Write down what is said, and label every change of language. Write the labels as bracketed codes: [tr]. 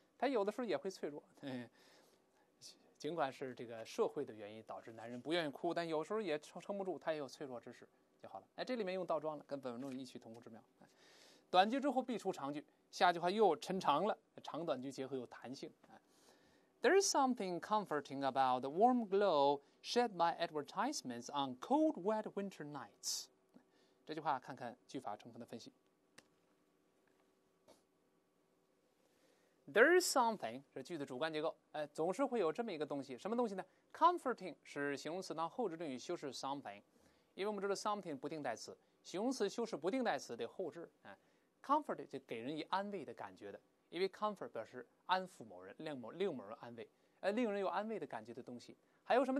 [zh] 他有的时候也会脆弱。对，尽管是这个社会的原因导致男人不愿意哭，但有时候也撑不住，他也有脆弱之时就好了。哎，这里面用倒装了，跟本文中异曲同工之妙。短句之后必出长句，下句话又抻长了，长短句结合有弹性。 [en] There is something comforting about the warm glow shed by advertisements on cold, wet winter nights. [zh] 这句话看看句法成分的分析。 [en] There is something [zh] 是句子主干结构，总是会有这么一个东西，什么东西呢？ Comforting 是形容词当后置定语修饰 something， 因为我们知道 something 不定代词，形容词修饰不定代词得后置，comfort 就给人以安慰的感觉的，因为 comfort 表示安抚某人，令某人安慰，令人有安慰的感觉的东西。还有什么？